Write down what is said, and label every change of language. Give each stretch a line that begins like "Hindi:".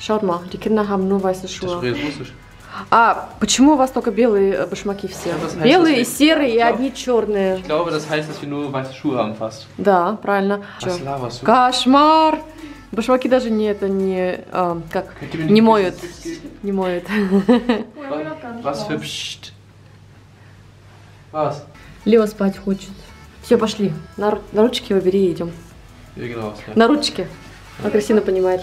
German: Шарма, die Kinder haben nur weiße Schuhe.
Russian: А, почему у вас только белые башмаки все? Белые и серые и одни чёрные.
German: Ich glaube, das heißt, dass wir nur weiße Schuhe haben fast.
Russian: Да, правильно. Кошмар. Башмаки даже не это не, а, как не моют. Не моют.
German: Was für Psst. Was?
Russian: Лео спать хочет. Всё, пошли. На ручки его бери, идём. На ручки. А Кристина понимает.